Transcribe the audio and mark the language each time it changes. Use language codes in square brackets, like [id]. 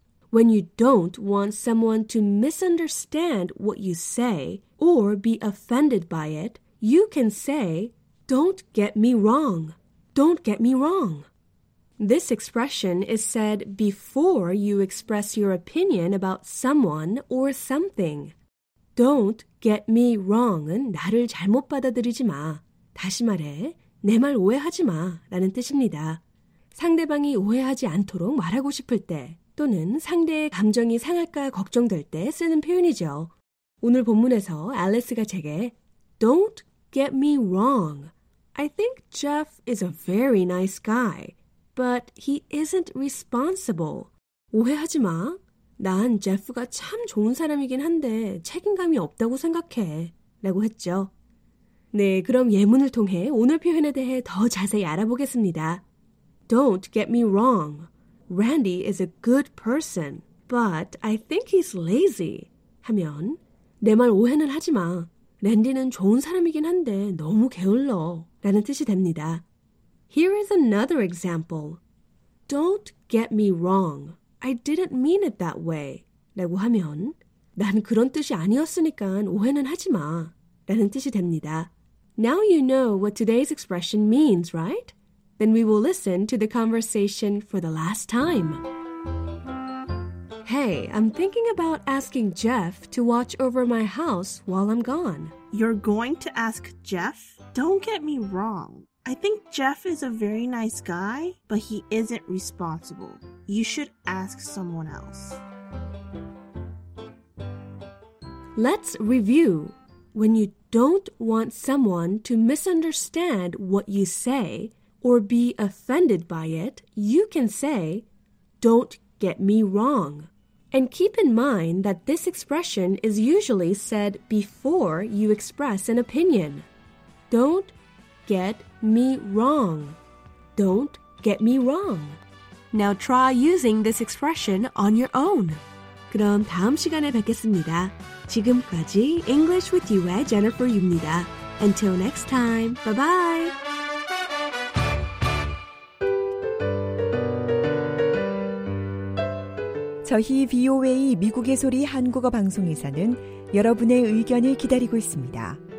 [en] When you don't want someone to misunderstand what you say or be offended by it, you can say, don't get me wrong. Don't get me wrong. This expression is said before you express your opinion about someone or something. Don't get me wrong [ko] 은 나를 잘못 받아들이지 마. 다시 말해, 내 말 오해하지 마 라는 뜻입니다. 상대방이 오해하지 않도록 말하고 싶을 때 또는 상대의 감정이 상할까 걱정될 때 쓰는 표현이죠. 오늘 본문에서 앨리스가 제게 [en] Don't get me wrong. I think Jeff is a very nice guy, but he isn't responsible. [ko] 오해하지 마. 난 제프가 참 좋은 사람이긴 한데 책임감이 없다고 생각해 라고 했죠. 네, 그럼 예문을 통해 오늘 표현에 대해 더 자세히 알아보겠습니다. [en] Don't get me wrong. Randy is a good person, but I think he's lazy. [ko] 하면, 내 말 오해는 하지 마. 랜디는 좋은 사람이긴 한데 너무 게을러. 라는 뜻이 됩니다. [en] Here is another example. Don't get me wrong. I didn't mean it that way. [ko] 라고 하면, 난 그런 뜻이 아니었으니까 오해는 하지 마. 라는 뜻이 됩니다. [en] Now you know what today's expression means, right? Then we will listen to the conversation for the last time. Hey, I'm thinking about asking Jeff to watch over my house while I'm gone. You're going to ask Jeff? Don't get me wrong. I think Jeff is a very nice guy, but he isn't responsible. You should ask someone else. Let's review. When you don't want someone to misunderstand what you say or be offended by it, you can say, don't get me wrong. And keep in mind that this expression is usually said before you express an opinion. Don't get me wrong. Don't get me wrong. Now try using this expression on your own. [ko] 그럼 다음 시간에 뵙겠습니다. 지금까지 English with you의 Jennifer입니다. [en] Until next time, bye-bye! [ko] 저희 VOA 미국의 소리 한국어 방송에서는 여러분의 의견을 기다리고 있습니다.